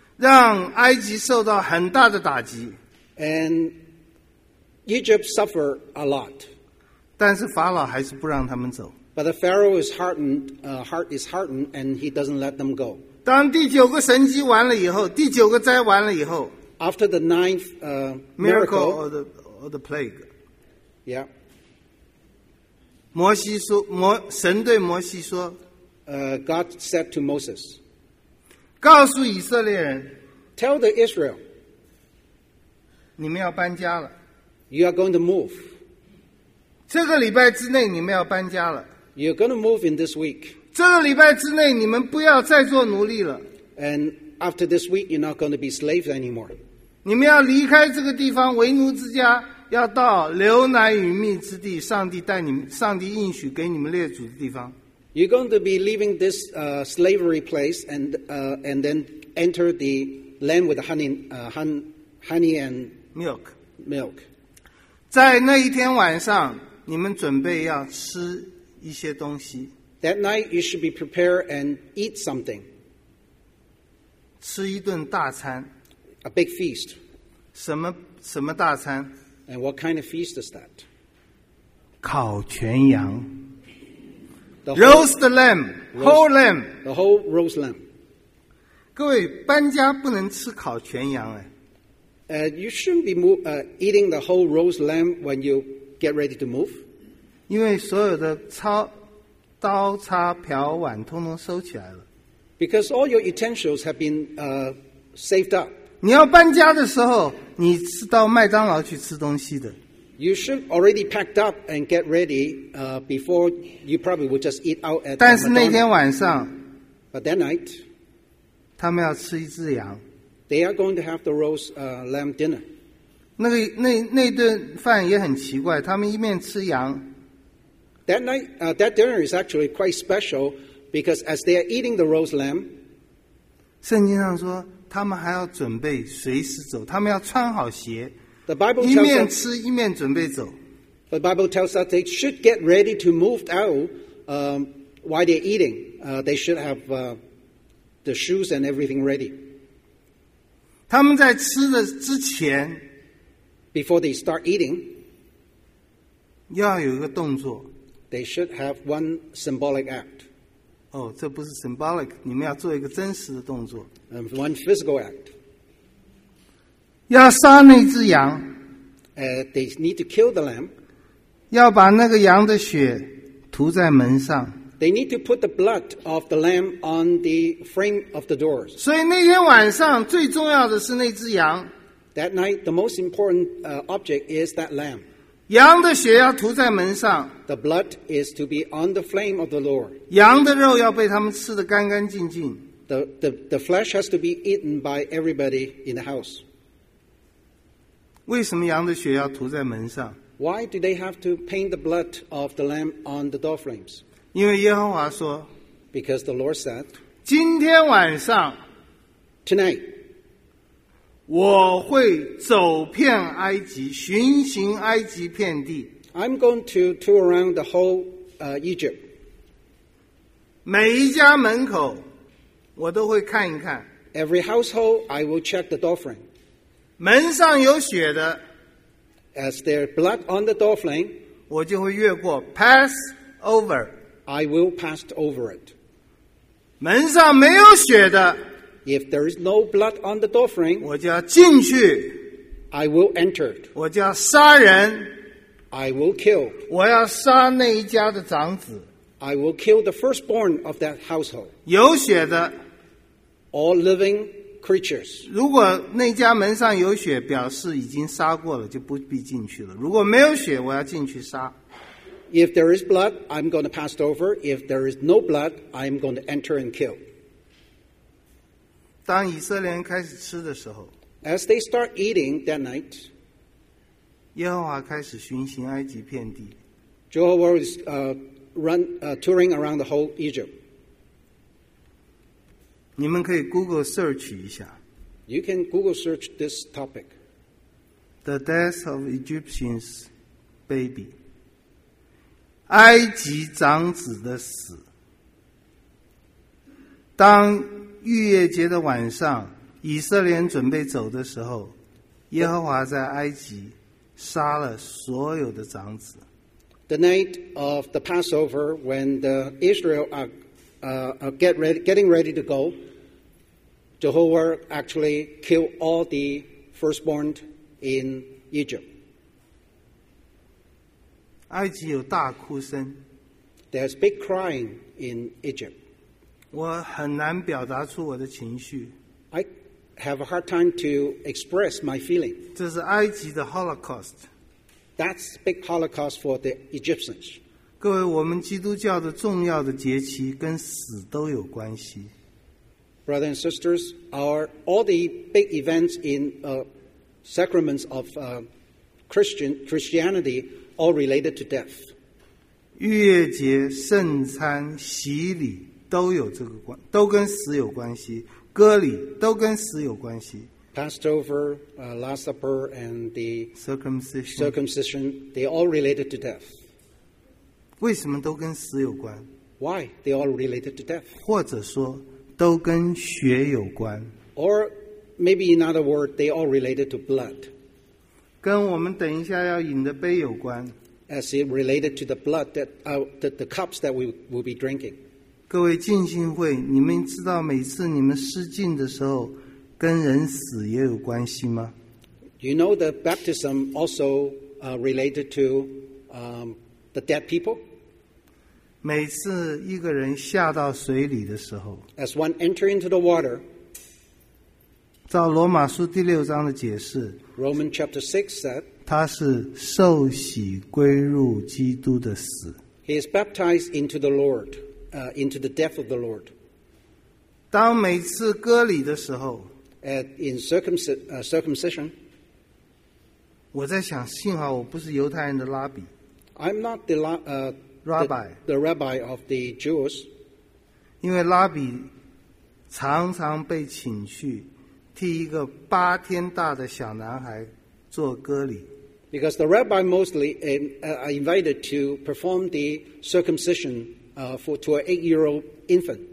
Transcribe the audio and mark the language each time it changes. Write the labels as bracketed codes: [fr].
[zh] 让埃及受到很大的打击。 [en] And Egypt suffered a lot. [zh] 但是法老还是不让他们走。 [en] But the Pharaoh is heartened, heart is heartened, and he doesn't let them go. [zh] 当第九个神迹完了以后，第九个灾完了以后 [en] ，After the ninth miracle or the plague, yeah. [zh] 摩西说，摩神对摩西说 [en] ，God said to Moses, [zh] 告诉以色列人 [en] ，Tell the Israel, [zh] 你们要搬家了 [en] ，You are going to move. [zh] 这个礼拜之内你们要搬家了。 [en] You're going to move in this week. [zh] 这个礼拜之内你们不要再做奴隶了。 [en] And after this week, you're not going to be slaves anymore. [zh] 你们要离开这个地方，为奴之家，要到流奶与蜜之地，上帝带你们，上帝应许给你们列祖的地方。 [en] You're going to be leaving this slavery place and then enter the land with honey and milk. [zh] 在那一天晚上，你们准备要吃一些东西。 [en] That night you should be prepared and eat something. [zh] 吃一顿大餐。 [en] A big feast. [zh] 什么大餐？ [en] And what kind of feast is that? [zh] 烤全羊。 [en] Roast lamb, whole lamb. The whole roast lamb. [zh] 各位，搬家不能吃烤全羊哎。 [en] You shouldn't be eating the whole roast lamb when you get ready to move. [zh] 因为所有的刀叉瓢碗通通收起来了。 [en] Because all your utensils have been saved up. [zh] 你要搬家的时候，你是到麦当劳去吃东西的。 [en] You should already packed up and get ready before you probably would just eat out at. [zh] 但是那天晚上 [en] ，But that night, [zh] 他们要吃一只羊。 [en] They are going to have the roast lamb dinner. [zh] 那顿饭也很奇怪，他们一面吃羊。 [en] That night, that dinner is actually quite special because as they are eating the roast lamb, [zh] 圣经上说他们还要准备随时走，他们要穿好鞋。 [en] The Bible tells us [zh] 一面吃一面准备走。 [en] The Bible tells us they should get ready to move out while they're eating. They should have the shoes and everything ready. [zh] 他们在吃的之前 [en] ，before they start eating, [zh] 要有一个动作。 [en] They should have one symbolic act. [zh] Oh, 这不是 symbolic. 你们要做一个真实的动作。 [en] One physical act. [zh] 要杀那只羊。 [en] They need to kill the lamb. [zh] 要把那个羊的血涂在门上。 [en] They need to put the blood of the lamb on the frame of the doors. [zh] 所以那天晚上最重要的是那只羊。 [en] That night, the most important object is that lamb. [zh] 羊的血要涂在门上。 [en] The blood is to be on the flame of the Lord. [zh] 羊的肉要被他们吃得干干净净。 [en] The flesh has to be eaten by everybody in the house. [zh] 为什么羊的血要涂在门上？ [en] Why do they have to paint the blood of the lamb on the door frames? [zh] 因为耶和华说， [en] Because the Lord said, [zh] 今天晚上， [en] Tonight, [zh] 我会走遍埃及，巡行埃及遍地。 [en] I'm going to tour around the whole Egypt. [zh] 每一家门口，我都会看一看。 [en] Every household, I will check the doorframe. [zh] 门上有血的 [en] ，as there's blood on the doorframe, [zh] 我就会越过 ， [en] pass over. I will pass over it. [zh] 门上没有血的。 [en] If there is no blood on the doorframe, [zh] 我就要进去。 [en] I will enter. [zh] 我就要杀人。 [en] I will kill. [zh] 我要杀那一家的长子。 [en] I will kill the firstborn of that household. [zh] 有血的。 [en] All living creatures. [zh] 如果那家门上有血，表示已经杀过了，就不必进去了。如果没有血，我要进去杀。 [en] If there is blood, I'm going to pass over. If there is no blood, I'm going to enter and kill. [zh] 当以色列人开始吃的时候 [en] ，As they start eating that night， [zh] 耶和华开始巡行埃及遍地。 [en] Jehovah is touring around the whole Egypt。 [zh] 你们可以 Google search 一下。 [en] You can Google search this topic。 The death of Egyptian's baby。 [zh] 埃及长子的死。当逾越节的晚上，以色列人准备走的时候，耶和华在埃及杀了所有的长子。 [en] The night of the Passover, when the Israel are getting ready to go, Jehovah actually killed all the firstborn in Egypt. [zh] 埃及有大哭声。 [en] There's big crying in Egypt. [zh] 我很难表达出我的情绪。 [en] I have a hard time to express my feeling. [zh] 这是埃及的 Holocaust. [en] That's a big holocaust for the Egyptians. [zh] 各位，我们基督教的重要的节期跟死都有关系。 [en] Brothers and sisters, all the big events in sacraments of Christianity all related to death. [zh] 逾越节、圣餐、洗礼都有这个关，都跟死有关系。割礼都跟死有关系。 [en] Passover, Last Supper, and the circumcision, they all related to death. [zh] 为什么都跟死有关? [en] Why they all related to death? [zh] 或者说都跟血有关? [en] Or maybe in other words, they all related to blood. [zh] 跟我们等一下要饮的杯有关。 [en] As it related to the blood that the cups that we will be drinking. [zh] 各位浸信会，你们知道每次你们施浸的时候。跟人死也有关系吗? [en] You know the baptism also related to the dead people? [zh] 每次一个人下到水里的时候 [en] As one enters into the water [zh] 照罗马书第六章的解释 [en] Romans chapter 6 said [zh] 他是受洗归入基督的死 [en] He is baptized into the Lord into the death of the Lord [zh] 当每次割礼的时候 [en] In circumcision, [zh] 我在想，幸好我不是犹太人的拉比。 [en] I'm not the rabbi. The rabbi of the Jews. [zh] 因为拉比常常被请去替一个八天大的小男孩做割礼。 [en] Because the rabbi mostly invited to perform the circumcision to an eight-year-old infant.